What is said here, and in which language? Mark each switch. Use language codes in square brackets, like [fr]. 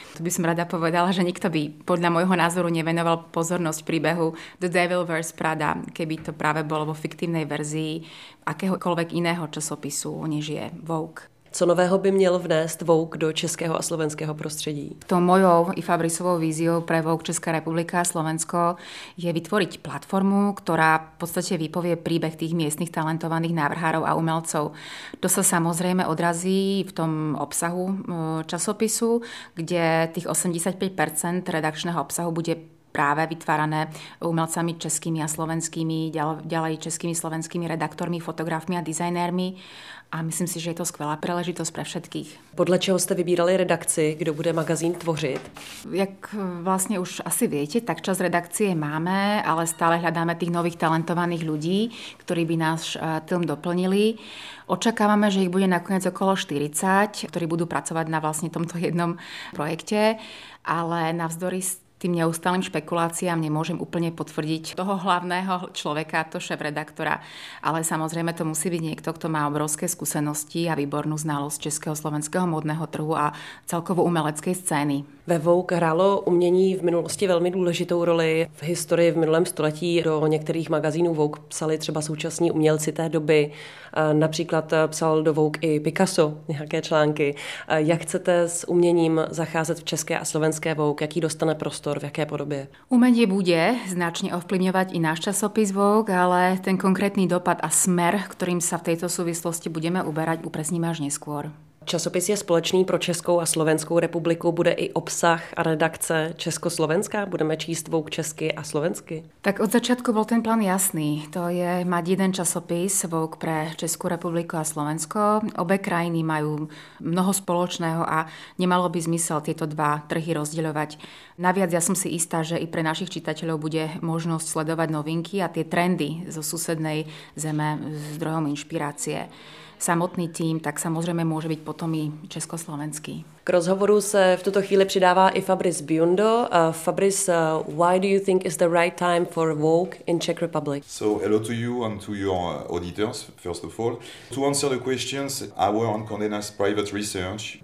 [sk] Tu by som rada povedala, že nikto by podľa môjho názoru nevenoval pozornosť príbehu The Devil Wears Prada, keby to práve bolo vo fiktívnej verzii akéhokoľvek iného časopisu, než je Vogue. [cs] Co nového by měl vnést Vogue do českého a slovenského prostředí? [sk] To mojou i Fabrisovou víziou pre Vogue Česká republika a Slovensko je vytvoriť platformu, ktorá v podstate vypovie príbeh tých miestnych talentovaných návrhárov a umelcov. To sa samozrejme odrazí v tom obsahu časopisu, kde tých 85% redakčného obsahu bude práve vytvárané umelcami českými a slovenskými, ďalej českými slovenskými redaktormi, fotografmi a dizajnérmi. [cs] A myslím si, že je to skvělá příležitost pro všech. Podle čeho jste vybírali redakci, kdo bude magazín tvořit? Jak vlastně už asi víte, tak čas redakcie máme, ale stále hledáme těch nových talentovaných lidí, kteří by náš tým doplnili. Očekáváme, že jich bude nakonec okolo 40, kteří budou pracovat na vlastně tomto jednom projekte, [sk] ale navzdory tým neustálým špekuláciám nemôžem úplne potvrdiť toho hlavného človeka, to šéfredaktora. Ale samozrejme to musí byť niekto, kto má obrovské skúsenosti a výbornú znalosť českého slovenského módneho trhu a celkovo umeleckej scény. [cs] Ve Vogue hrálo umění v minulosti velmi důležitou roli. V historii v minulém století do některých magazínů Vogue psali třeba současní umělci té doby. Například psal do Vogue i Picasso nějaké články. Jak chcete s uměním zacházet v české a slovenské Vogue? Jaký dostane prostor, v jaké podobě? Umění bude značně ovplyvňovat i náš časopis Vogue, ale ten konkrétní dopad a směr, kterým se v této souvislosti budeme uberat, upresníme až neskôr. Časopis je společný pro Českou a Slovenskou republiku, bude i obsah a redakce československá, budeme číst Vogue česky a slovensky. Tak od začátku byl ten plán jasný, to je mať jeden časopis Vogue pre Českou republiku a Slovensko. [sk] Obe krajiny mají mnoho spoločného a nemalo by zmysel tieto dva trhy rozdeľovať. Naviac ja som si istá, že i pre našich čitateľov bude možnosť sledovať novinky a tie trendy zo susednej zeme zdrojom inšpirácie. [cs] Samotný tým, tak samozřejmě může být potom i československý. K rozhovoru se v tuto chvíli přidává i Fabrice Biondo. [en] Fabrice, why do you think is the right time for Vogue in Czech Republic? So hello to you and to your auditors, first of all. To answer the questions, our own Condé Nast private research.